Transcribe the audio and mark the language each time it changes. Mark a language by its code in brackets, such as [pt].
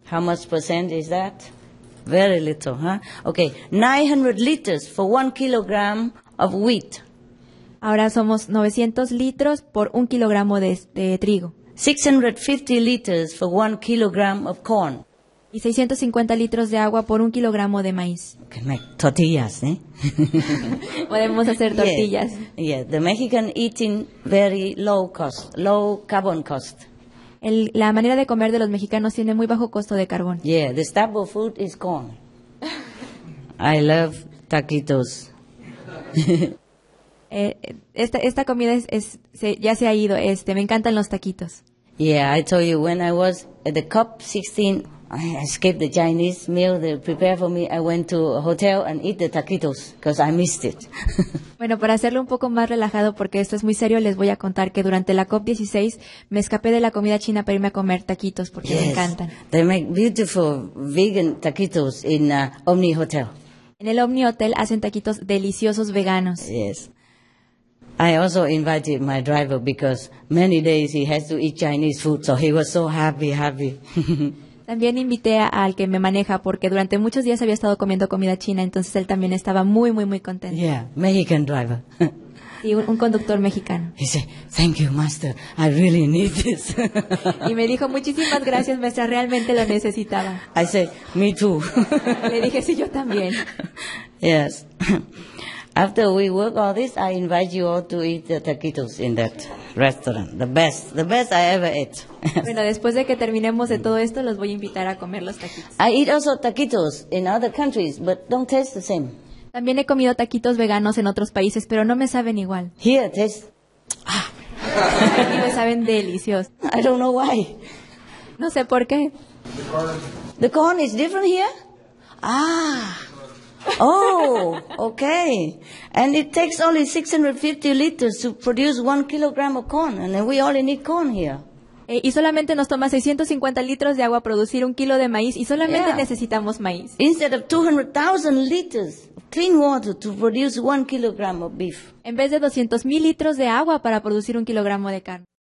[en] How much percent is that? Very little, huh? Okay, 900 liters for 1 kilogram of wheat. [es] Ahora somos 900 litros por 1 kilogramo de trigo. [en] 650 liters for 1 kilogram of corn. [es] Y 650 litros de agua por 1 kilogramo de maíz. [en] Okay, make tortillas, eh? [es] Podemos hacer tortillas. [en] Yeah, the Mexican eating very low cost, low carbon cost. [es] La manera de comer de los mexicanos tiene muy bajo costo de carbón. [en] Yeah, the staple food is corn. I love taquitos. [es] Esta comida ya se ha ido. Me encantan los taquitos. [en] Yeah, I told you when I was at the COP 16, I escaped the Chinese meal they prepared for me. I went to a hotel and eat the taquitos because I missed it. [es] Bueno, para hacerlo un poco más relajado, porque esto es muy serio, les voy a contar que durante la COP 16 me escapé de la comida china para irme a comer taquitos porque [en] yes, [es] me encantan. [en] They make beautiful vegan taquitos in Omni Hotel. [es] En el Omni Hotel hacen taquitos deliciosos veganos. [en] Yes. I also invited my driver because many days he has to eat Chinese food, so he was so happy. [es] También invité al que me maneja porque durante muchos días había estado comiendo comida china, entonces él también estaba muy, muy, muy contento. [en] Yeah, Mexican driver. [es] Sí, un conductor mexicano. [en] He said, thank you, master, I really need this. [es] Y me dijo, muchísimas gracias, maestra, realmente lo necesitaba. [en] I said, me too. [es] Le dije, sí, yo también. [en] Yes. After we work all this, I invite you all to eat the taquitos in that restaurant. The best I ever ate. [es] Bueno, después de que terminemos de todo esto, los voy a invitar a comer los taquitos. [en] I eat also taquitos in other countries, but don't taste the same. [es] También he comido taquitos veganos en otros países, pero no me saben igual. [en] Here, taste. [es] Aquí me saben deliciosos. [en] I don't know why. [es] No sé por qué. [en] The corn is different here? Ah. Oh, okay. And it takes only 650 liters to produce 1 kilogram of corn, and then we only need corn here. [es] Y solamente nos toma 650 litros de agua producir 1 kilo de maíz, y solamente necesitamos maíz. [en] Instead of 200,000 liters of clean water to produce 1 kilogram of beef. [es] En vez de 200,000 litros de agua para producir 1 kilogramo de carne.